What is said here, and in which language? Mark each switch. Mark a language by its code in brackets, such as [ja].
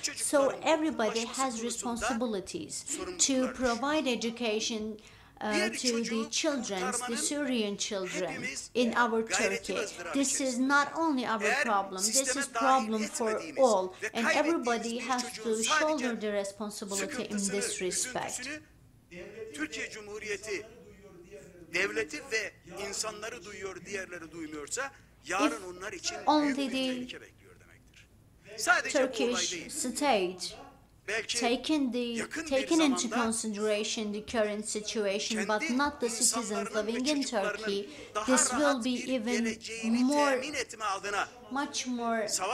[en] So everybody has responsibilities to provide education to the children, the Syrian children in our Turkey. This is not only our problem, this is problem for all, and everybody has to shoulder the responsibility in this respect. [tr] Türkiye Cumhuriyeti devleti ve insanları duyuyor, diğerleri duymuyorsa yarın onlar için büyük bir tehlike bekliyor demektir. Sadece [en] Turkish state taking into consideration the current situation, but not the citizens living in Turkey, this will be even more, much more